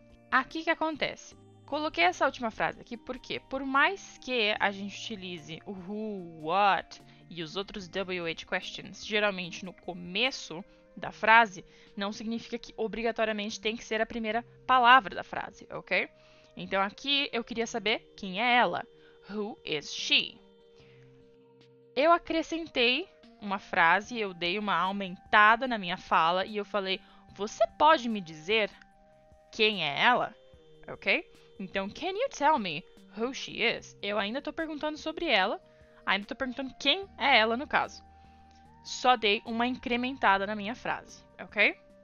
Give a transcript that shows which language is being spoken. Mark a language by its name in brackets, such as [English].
[Portuguese] Aqui que acontece. Coloquei essa última frase aqui porque, por mais que a gente utilize o who, what e os outros WH questions geralmente no começo da frase, não significa que obrigatoriamente tem que ser a primeira palavra da frase, ok? Então aqui eu queria saber quem é ela. [English] Who is she? [Portuguese] Eu acrescentei uma frase, eu dei uma aumentada na minha fala e eu falei, você pode me dizer quem é ela? Ok? Então, [English] can you tell me who she is? [Portuguese] Eu ainda estou perguntando sobre ela, ainda estou perguntando quem é ela, no caso. Só dei uma incrementada na minha frase, ok?